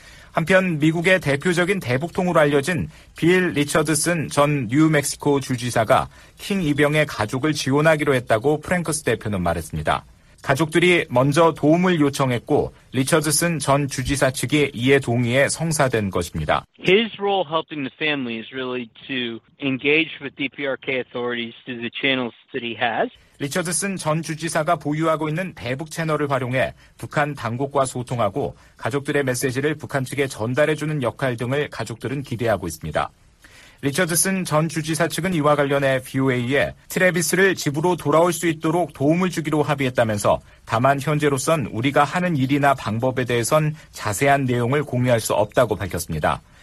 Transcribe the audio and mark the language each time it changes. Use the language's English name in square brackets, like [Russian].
[Korean] 한편 미국의 대표적인 대북통으로 알려진 빌 리처드슨 전 뉴멕시코 주지사가 킹 이병의 가족을 지원하기로 했다고 프랭크스 대표는 말했습니다. 가족들이 먼저 도움을 요청했고 리처드슨 전 주지사 측이 이에 동의해 성사된 것입니다. [English] His role helping the family is really to engage with DPRK authorities through the channels that he has. [Korean] 리처드슨 전 주지사가 보유하고 있는 대북 채널을 활용해 북한 당국과 소통하고 가족들의 메시지를 북한 측에 전달해주는 역할 등을 가족들은 기대하고 있습니다. 리처드슨 전 주지사 측은 이와 관련해 VOA에 트래비스를 집으로 돌아올 수 있도록 도움을 주기로 합의했다면서 다만 현재로선 우리가 하는 일이나 방법에 대해선 자세한 내용을 공유할 수 없다고 밝혔습니다.